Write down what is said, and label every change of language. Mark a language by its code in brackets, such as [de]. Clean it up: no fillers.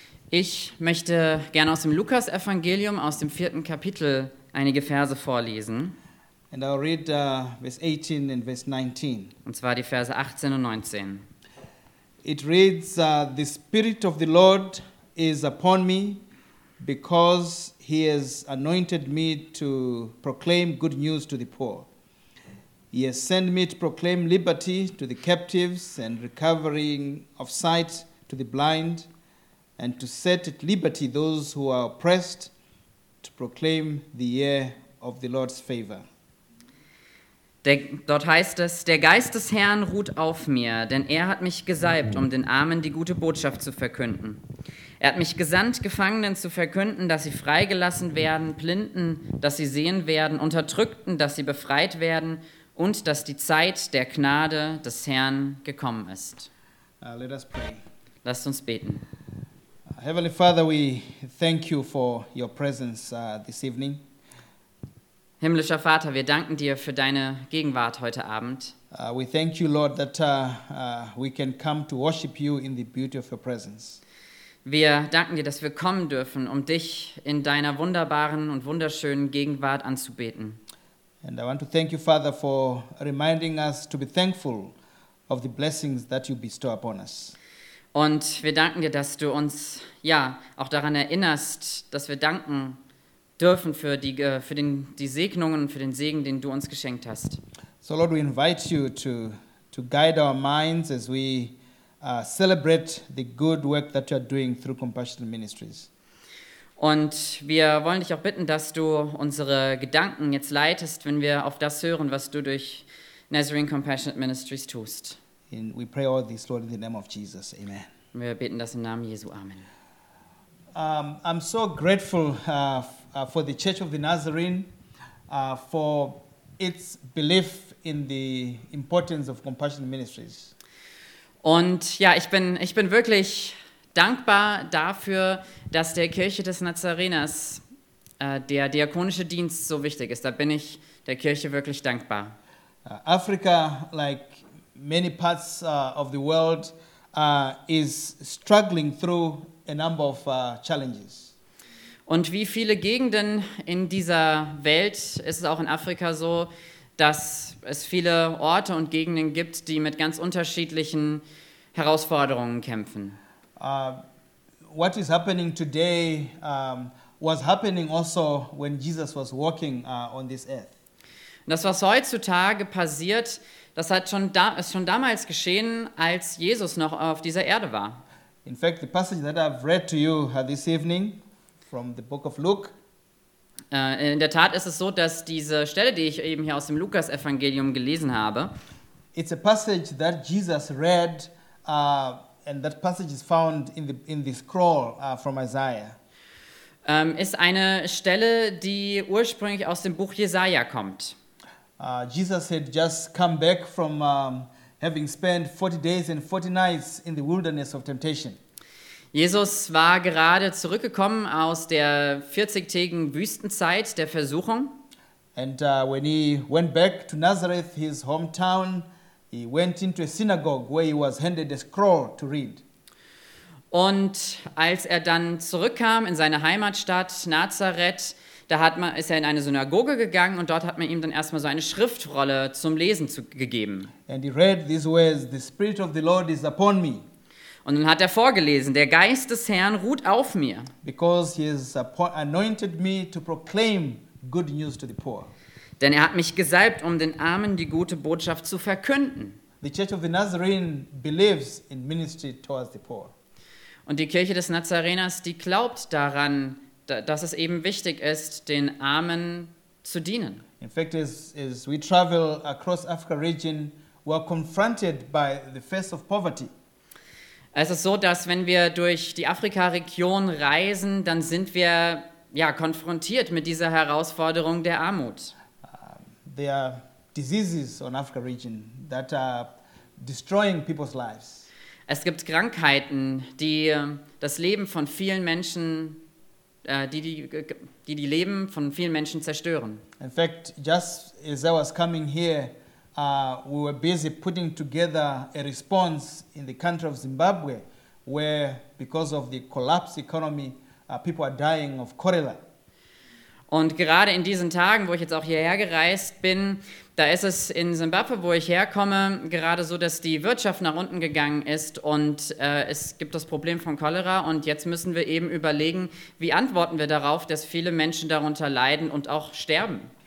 [de] Ich möchte gerne aus dem Lukas-Evangelium aus dem 4. Kapitel einige Verse vorlesen. [en] And I'll read verse 18 and verse 19. [de] Und zwar die Verse 18 und 19. [en] It reads, the Spirit of the Lord is upon me, because he has anointed me to proclaim good news to the poor. He has sent me to proclaim liberty to the captives and recovering of sight to the blind, and to set at liberty those who are oppressed, to proclaim the year of the Lord's favor. [de] Dort heißt es, der Geist des Herrn ruht auf mir, denn er hat mich gesalbt, um den Armen die gute Botschaft zu verkünden. Er hat mich gesandt, Gefangenen zu verkünden, dass sie freigelassen werden, Blinden, dass sie sehen werden, Unterdrückten, dass sie befreit werden und dass die Zeit der Gnade des Herrn gekommen ist. [en] Let us pray. [de] Lasst uns beten. [en] Heavenly Father, we thank you for your presence this evening. [de] Himmlischer Vater, wir danken dir für deine Gegenwart heute Abend. [en] We thank you, Lord, that we can come to worship you in the beauty of your presence. [de] Wir danken dir, dass wir kommen dürfen, um dich in deiner wunderbaren und wunderschönen Gegenwart anzubeten. [en] And I want to thank you, Father, for reminding us to be thankful of the blessings that you bestow upon us. [de] Und wir danken dir, dass du uns ja auch daran erinnerst, dass wir danken dürfen für die Segnungen, für den Segen, den du uns geschenkt hast. [en] So Lord, we invite you to guide our minds as we celebrate the good work that you are doing through Compassion Ministries. [de] Und wir wollen dich auch bitten, dass du unsere Gedanken jetzt leitest, wenn wir auf das hören, was du durch Nazarene Compassion Ministries tust. [en] And we pray all this, Lord, in the name of Jesus. Amen. [de] Wir beten das im Namen Jesu. Amen. [en] I'm so grateful for the Church of the Nazarene for its belief in the importance of Compassion Ministries. [de] Und ja, ich bin wirklich dankbar dafür, dass der Kirche des Nazareners der diakonische Dienst so wichtig ist. Da bin ich der Kirche wirklich dankbar. [en] Africa, like many parts of the world, is struggling through a number of challenges. [de] Und wie viele Gegenden in dieser Welt ist es auch in Afrika so, dass es viele Orte und Gegenden gibt, die mit ganz unterschiedlichen Herausforderungen kämpfen. [en] What is happening today was happening also when Jesus was walking on this earth. [de] Das, was heutzutage passiert, das hat schon ist schon damals geschehen, als Jesus noch auf dieser Erde war. [en] In fact, the passage that I've read to you this evening from the book of Luke. [de] In der Tat ist es so, dass diese Stelle, die ich eben hier aus dem Lukas-Evangelium gelesen habe, [en] it's a passage that Jesus read, and that passage is found in the scroll from Isaiah. [de] Ist eine Stelle, die ursprünglich aus dem Buch Jesaja kommt. [en] Jesus had just come back from having spent 40 days and 40 nights in the wilderness of temptation. [de] Jesus war gerade zurückgekommen aus der 40-tägigen Wüstenzeit der Versuchung. [en] And when he went back to Nazareth, his hometown, he went into a synagogue where he was handed a scroll to read. [de] Und als er dann zurückkam in seine Heimatstadt Nazareth, ist er in eine Synagoge gegangen und dort hat man ihm dann erstmal so eine Schriftrolle zum Lesen gegeben. [en] And he read these words, the Spirit of the Lord is upon me. [de] Und dann hat er vorgelesen, der Geist des Herrn ruht auf mir. [en] Because he has anointed me to proclaim good news to the poor. [de] Denn er hat mich gesalbt, um den Armen die gute Botschaft zu verkünden. [en] The Church of the Nazarene believes in ministry towards the poor. [de] Und die Kirche des Nazareners, die glaubt daran, dass es eben wichtig ist, den Armen zu dienen. [en] In fact, as we travel across Africa region, we are confronted by the face of poverty. [de] Es ist so, dass wenn wir durch die Afrika-Region reisen, dann sind wir ja konfrontiert mit dieser Herausforderung der Armut. [en] There are diseases on Africa region that are destroying people's lives. [de] Es gibt Krankheiten, die das Leben von vielen Menschen die Leben von vielen Menschen zerstören. [en] In fact, just as I was coming here We were busy putting together a response in the country of Zimbabwe, where because of the collapsed economy, people are dying of cholera. [de] Und gerade in diesen Tagen, wo ich jetzt auch hierher gereist bin, da ist es in Simbabwe, wo ich herkomme, gerade so, dass die Wirtschaft nach unten gegangen ist und es gibt das Problem von Cholera und jetzt müssen wir eben überlegen, wie antworten wir darauf, dass viele Menschen darunter leiden und auch sterben.